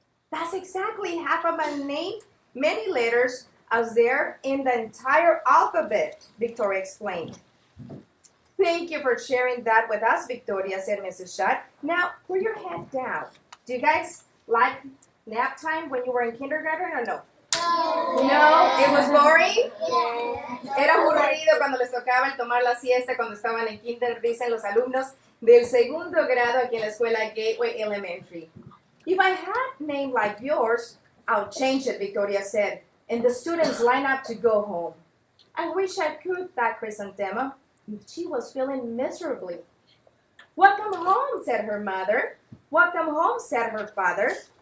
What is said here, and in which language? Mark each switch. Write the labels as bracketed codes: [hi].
[en] That's exactly half of a name, many letters as there in the entire alphabet, Victoria explained. Thank you for sharing that with us, Victoria, said Mrs. Shutt. Now, put your head down. Do you guys like nap time when you were in kindergarten or no? No, it was boring. [es] Era aburrido cuando les tocaba el tomar la siesta cuando estaban en kinder, dicen los alumnos del segundo grado aquí en la escuela Gateway Elementary. [en] If I had a name like yours, I'll change it, Victoria said, and the students line up to go home. I wish I could, thought Chrysanthemum. She was feeling miserably. Welcome home, said her mother. Welcome home, said her father.